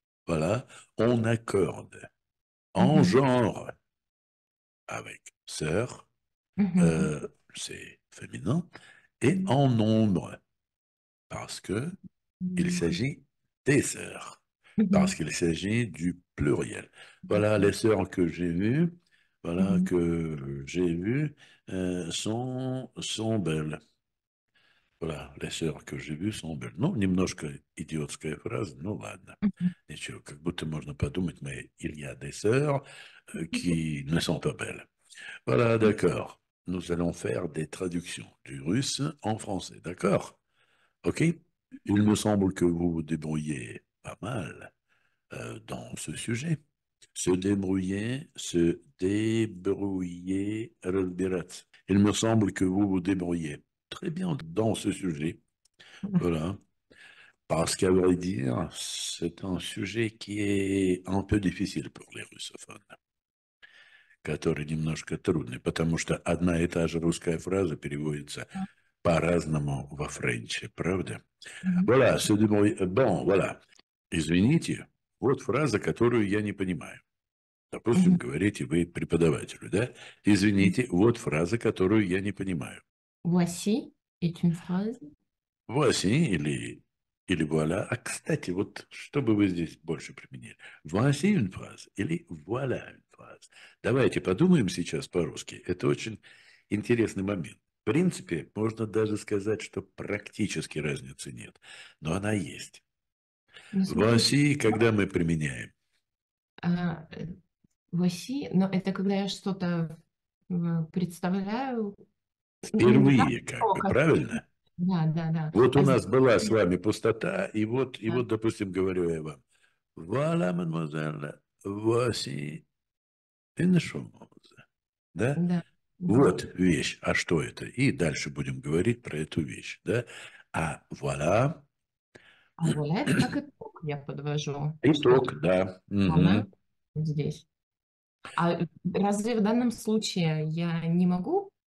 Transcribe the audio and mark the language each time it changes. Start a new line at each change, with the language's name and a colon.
French: Voilà, on accorde en genre avec sœur, c'est féminin, et en nombre, parce que il s'agit des sœurs, parce qu'il s'agit du pluriel. Voilà, les sœurs que j'ai vues. Voilà, que j'ai vu, sont belles. Voilà, les sœurs que j'ai vues sont belles.
Russian: Non, немножко идиотская фраза, ну ладно. Ничего, как будто можно подумать,
French: mais il y a des sœurs qui ne sont pas belles.
Russian: Voilà, d'accord.
French: Nous allons faire des traductions du russe en français, d'accord? Ok? Il me semble que vous vous débrouillez pas mal dans ce sujet. Se débrouiller,
Russian: разбираться.
French: Il me semble que vous vous débrouillez très bien dans ce sujet. Voilà. Parce qu'à vrai dire, c'est un sujet qui est un peu difficile pour les russophones.
Russian: Который немножко трудный, потому что одна и та же русская фраза переводится по-разному во френче, правда?
French: Voilà, se débrouiller. Bon, voilà.
Russian: Извините, вот фраза, которую я не понимаю. Допустим, говорите вы преподавателю, да? Извините, вот фраза, которую я не понимаю.
French: Voici est une phrase. Voici или voilà.
Russian: А, кстати, вот что бы вы здесь больше применили?
French: Voici une phrase
Russian: или
French: voilà une phrase.
Russian: Давайте подумаем сейчас по-русски. Это очень интересный момент. В принципе, можно даже сказать, что практически разницы нет. Но она есть. Voici, когда мы применяем? Voici, но это когда я что-то представляю. Впервые, как бы, правильно? Да. Вот у нас была с вами пустота, и вот, допустим, говорю я вам.
French: Voilà, mademoiselle, voici une chose.
Russian: Да? Да. Вот вещь, а что это? И дальше будем говорить про эту вещь. Да? А voilà. А voilà, это как итог, я подвожу. Итог, да. Она здесь. А разве в данном случае я не могу